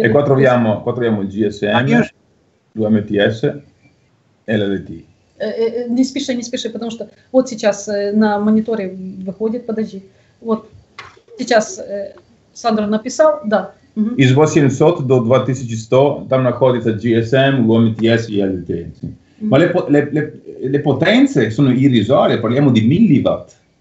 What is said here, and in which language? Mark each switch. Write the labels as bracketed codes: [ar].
[it] E qua troviamo, il GSM, 2 MTS e LTE. [ru] Не спеши, потому что вот сейчас на мониторе выходит, подожди. Вот сейчас Сандр написал, да. Из 800 до 2100 там находится GSM, UMTS и LTE. Но потенции [it] sono irrisorie, parliamo di milliwatt.